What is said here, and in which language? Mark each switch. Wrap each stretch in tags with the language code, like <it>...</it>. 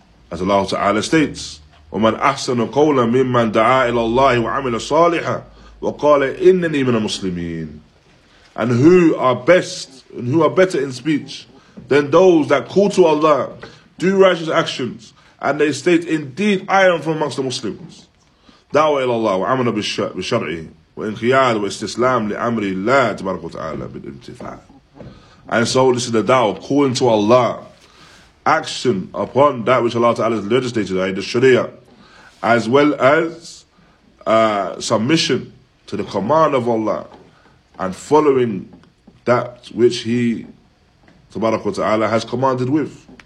<en>As Allah Ta'ala states,</en> <ar>وَمَنْ أَحْسَنُ قَوْلًا مِمَّنْ دَعَى إِلَى اللَّهِ وَعَمِلَ صَالِحًا وَقَالَ إِنَّنِي مِنَ الْمُسْلِمِينَ.</ar> <en>And who are best, and who are better in speech than those that call to Allah, do righteous actions, and they state, indeed, I am from amongst the Muslims.</en> <ar>دعوة إلى الله وعمل بشرعه وإنقياد واستسلام لأمر الله تبارك وتعالى بالانتفاع.</ar> <en>And so this is the da'wah, calling to Allah, action upon that which Allah Ta'ala has legislated, right, the Sharia, as well as submission to the command of Allah and following that which He</en> <ar>تبارك وتعالى</ar> <en>has commanded with.</en>